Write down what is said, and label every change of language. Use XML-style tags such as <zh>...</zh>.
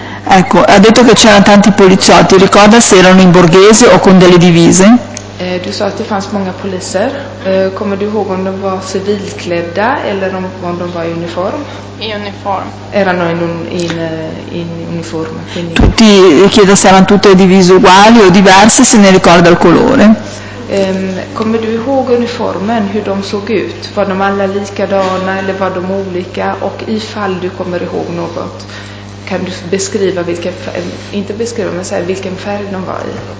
<it>Ecco, ha detto che c'erano tanti poliziotti, ricorda se erano in borghese o con delle divise?</it> <sv>Du sa att det fanns många poliser. Kommer du ihåg om de var civilklädda eller om de var i uniform? I uniform.</sv> <it>Erano in uniform. Quindi... Tutti, chiedo se erano tutte divise uguali o diverse, se ne ricorda il colore.</it> <sv>Kommer du ihåg uniformen, hur de såg ut? Var de alla likadana eller var de olika? Och ifall du kommer ihåg något, kan du beskriva vilken färg, inte beskriva, men säga vilken färg de var i?</sv>